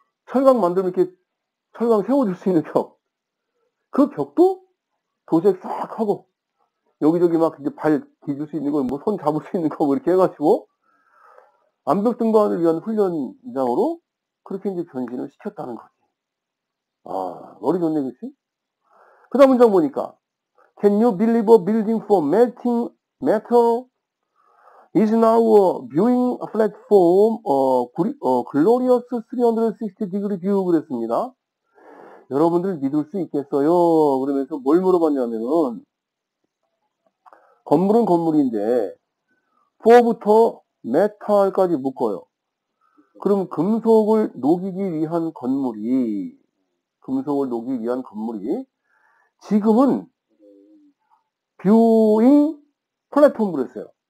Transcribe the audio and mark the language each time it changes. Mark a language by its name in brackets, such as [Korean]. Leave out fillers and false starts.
[Korean] 철강 만들면 이렇게 철강 세워줄 수 있는 벽. 그 벽도 도색 싹 하고, 여기저기 막 이제 발 기줄 수 있는 거, 뭐 손 잡을 수 있는 거, 뭐 이렇게 해가지고, 암벽 등반을 위한 훈련장으로 그렇게 이제 변신을 시켰다는 거지. 아, 머리 좋네, 그치? 그 다음 문장 보니까, [English] Can you believe a building for melting metal is now a viewing platform, glorious 360 degree view 그랬습니다. [Korean] 여러분들 믿을 수 있겠어요? 그러면서 뭘 물어봤냐면은, 건물은 건물인데, 4부터 메탈까지 묶어요. 그럼 금속을 녹이기 위한 건물이, 금속을 녹이기 위한 건물이, 지금은, 뷰잉 플랫폼 그랬어요.